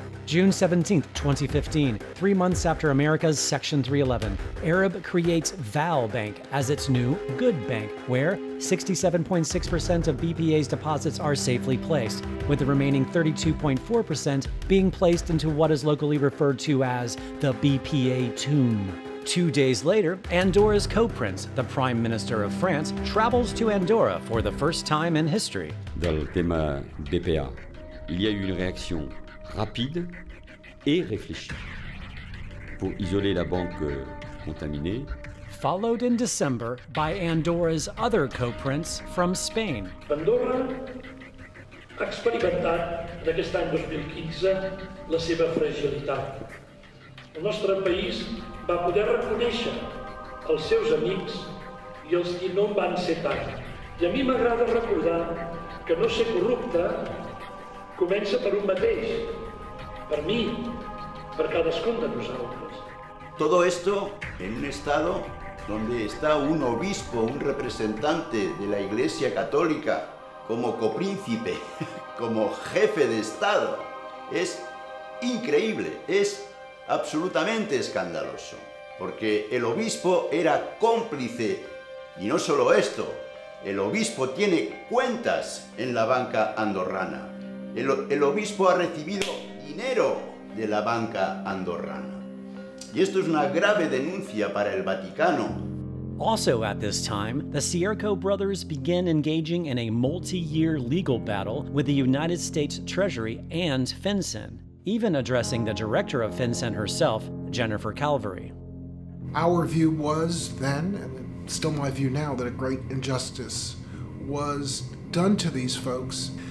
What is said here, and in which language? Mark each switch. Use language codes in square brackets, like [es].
[en] June 17, 2015, 3 months after America's Section 311, Arab creates Val Bank as its new good bank, where 67.6% of BPA's deposits are safely placed, with the remaining 32.4% being placed into what is locally referred to as the BPA tomb. 2 days later, Andorra's co-prince, the Prime Minister of France, travels to Andorra for the first time in history. [fr] Dans le thème BPA, il y a eu une réaction rapide et réfléchi pour isoler la banque contaminée. [en] Followed in December by Andorra's other co-prince from Spain. [ca] Andorra ha experimentat aquest any 2015 la seva fragilitat. El nostre país va poder reconèixer els seus amics i els que no en van ser tant. I a mi m'agrada recordar que no ser corrupte comença per un mateix. [es] Para mí, para cada uno de nosotros. Todo esto en un estado donde está un obispo, un representante de la Iglesia Católica, como copríncipe, como jefe de Estado. Es increíble, es absolutamente escandaloso. Porque el obispo era cómplice, y no solo esto, el obispo tiene cuentas en la banca andorrana. El obispo ha recibido dinero de la banca andorrana. Y esto es una grave denuncia para el Vaticano. [en] Also at this time, the Cierco brothers begin engaging in a multi-year legal battle with the United States Treasury and FinCEN, even addressing the director of FinCEN herself, Jennifer Calvary. Our view was then, and still my view now, that a great injustice was done to these folks.